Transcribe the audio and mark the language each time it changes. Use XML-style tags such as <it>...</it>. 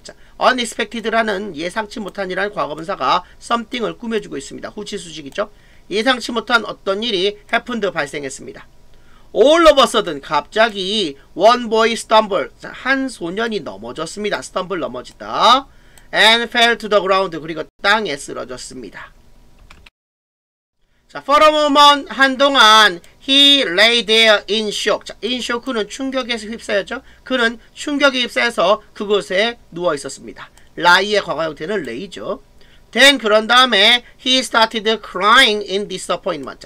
<ko>자, unexpected라는 예상치 못한 이라는 과거분사가 something을 꾸며주고 있습니다. 후치수식이죠. 예상치 못한 어떤 일이</ko> <en>happened</en> <ko>발생했습니다.</ko> <en>All of a sudden,</en> <ko>갑자기</ko> <en>one boy stumbled.</en> <ko>자, 한 소년이 넘어졌습니다.</ko> <en>stumble</en> <ko>넘어지다.</ko> <en>and fell to the ground.</en> <ko>그리고 땅에 쓰러졌습니다.</ko> <en>자, for a moment,</en> <ko>한동안</ko> <en>he lay there in shock.</en> <ko>자,</ko> <en>in shock,</en> <ko>그는 충격에 휩싸였죠. 그는 충격에 휩싸여서 그곳에 누워 있었습니다. lie의 과거 형태는 lay죠.</ko> <en>Then,</en> <ko>그런 다음에</ko> <en>he started crying in disappointment.</en>